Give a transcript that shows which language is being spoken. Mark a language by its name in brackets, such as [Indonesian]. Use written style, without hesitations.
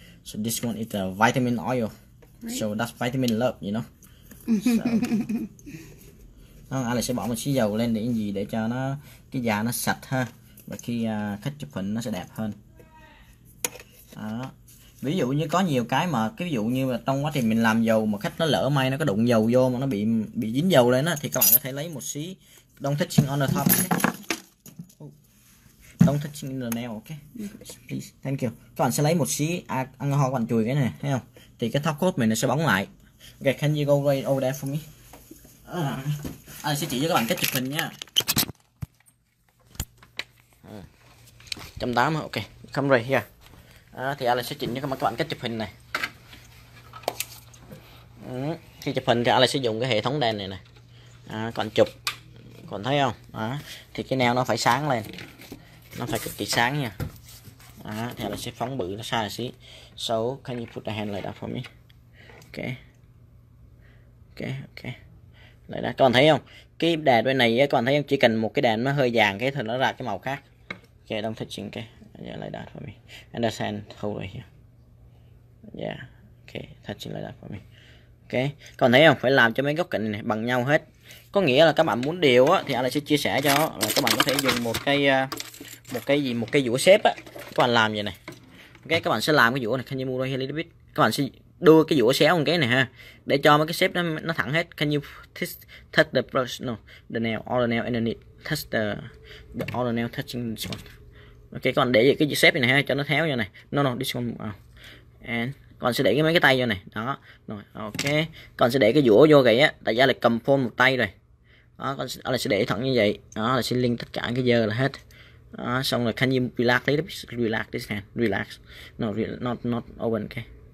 [English] So this one is the vitamin oil, right? So that's vitamin love, you know. [Vietnamese] So, nó sẽ bỏ một xí dầu lên để gì để cho nó cái da nó sạch ha, và khi khách chụp hình nó sẽ đẹp hơn. Đó. Ví dụ như có nhiều cái mà ví dụ như là trong quá trình mình làm dầu mà khách nó lỡ may nó có đụng dầu vô mà nó bị dính dầu lên á thì các bạn có thể lấy một xí [English] don't touch on the top. Don't touch in the nail, okay? Please, thank you. [Vietnamese] Các bạn sẽ lấy một xí ăn hoa quạnh chùi cái này, thấy không? Thì cái top coat mình sẽ bóng lại. [English] Okay, can you go right over there for me? [Vietnamese] Sẽ chỉ cho các bạn cách chụp hình nha. 180, okay. [English] Come right here. [Vietnamese] Thì Alex sẽ chỉnh cho các bạn cách chụp hình này. Khi chụp hình thì Alex sẽ dùng cái hệ thống đèn này này. Các bạn chụp. Còn thấy không? Đó. Thì cái nail nó phải sáng lên. Nó phải cực kỳ sáng nha. Đó. Thì Alex sẽ phóng bự nó xa xí. [English] So, can you put the hand like that for me? Okay. Okay, okay. [Vietnamese] Lại đó. Các bạn thấy không? Cái đèn bên này các bạn thấy không? Chỉ cần một cái đèn nó hơi vàng cái thì nó ra cái màu khác. [English] Okay, don't touch it, okay. Yeah, like that for me. Understand, hold right here. Yeah, okay, touching like that for me. Okay, [Vietnamese] các bạn thấy không? Phải làm cho mấy góc cạnh này bằng nhau hết. Có nghĩa là các bạn muốn điều á, thì Alex sẽ chia sẻ cho là các bạn có thể dùng một cây dũa xếp á. Các bạn làm vậy này. Okay, các bạn sẽ làm cái dũa này. [English] Can you move right here a little bit? [Vietnamese] Các bạn sẽ đưa cái dũa xéo một cái này ha. Để cho mấy cái xếp nó thẳng hết. [English] Can you touch the brush? No, the nail, all the nail underneath. Touch the all the nail touching this one. [Vietnamese] Ok, các bạn để cái dĩa xếp này ha, cho nó theo vô này. [English] No, no, this one. [Vietnamese] And các bạn sẽ để cái mấy cái tay vô này. Đó, rồi, ok. Các bạn sẽ để cái dũa vô vậy á. Tại vì là cầm phone một tay rồi. Đó, con sẽ để thẳng như vậy. Đó, là sẽ link tất cả cái dơ là hết. Đó, xong rồi, [English] can you relax a little bit? Relax this hand. Relax. No, not open, ok.